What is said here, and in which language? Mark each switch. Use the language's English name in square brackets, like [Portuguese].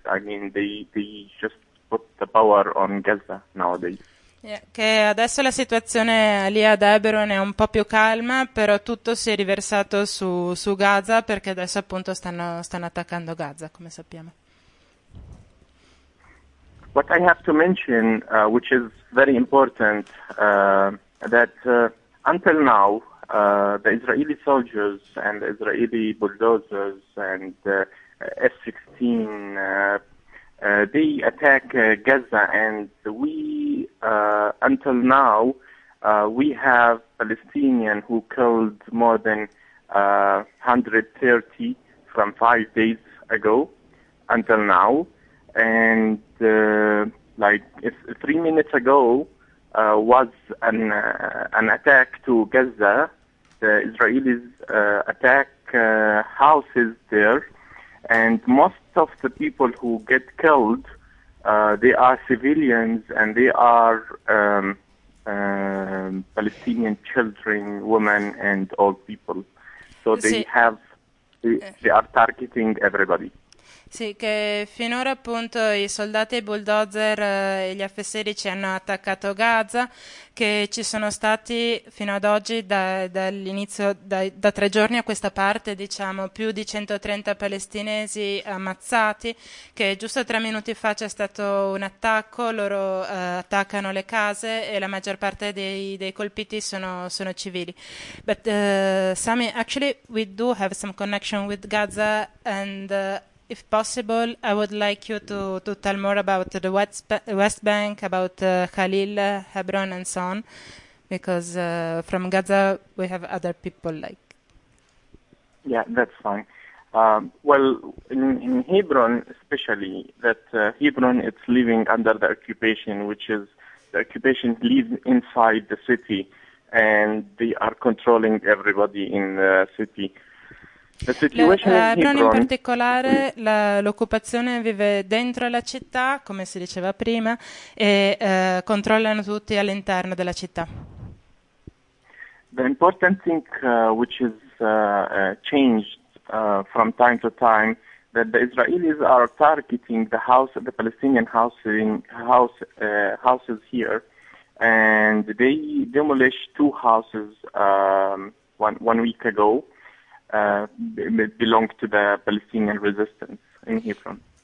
[English] I mean, they just put the power on Gaza nowadays. [Italian] Che adesso la situazione lì ad Hebron è un po' più calma, però tutto si è riversato su Gaza perché adesso appunto stanno attaccando Gaza, come sappiamo. [English] What I have to mention, which is very important, that until now, the Israeli soldiers and the Israeli bulldozers and F-16, they attack Gaza, and we until now we have Palestinians who killed more than 130 from 5 days ago until now. And like 3 minutes ago was an attack to Gaza. The Israelis attack houses there, and most of the people who get killed, they are civilians and they are Palestinian children, women, and old people. So [Italian] Sì. [English] they are targeting everybody. [Italian] Sì, che finora appunto i soldati bulldozer e gli F-16 hanno attaccato Gaza, che ci sono stati fino ad oggi, da 3 giorni a questa parte, diciamo, più di 130 palestinesi ammazzati, che giusto 3 minuti fa c'è stato un attacco, loro attaccano le case e la maggior parte dei colpiti sono civili. [English] But Sami, actually we do have some connection with Gaza and if possible, I would like you to tell more about the West Bank, about Khalil, Hebron, and so on, because from Gaza we have other people like. Yeah, that's fine. Well, in Hebron, especially Hebron, it's living under the occupation, which is the occupation lives inside the city, and they are controlling everybody in the city. The situation in Hebron in Hebron. [Italian] particolare, l'occupazione vive dentro la città, come si diceva prima, e controllano tutti all'interno della città. [English] The important thing which is changed from time to time, that the Israelis are targeting the Palestinian houses here, and they demolished 2 houses 1 week ago, belong to the Palestinian resistance in Hebron.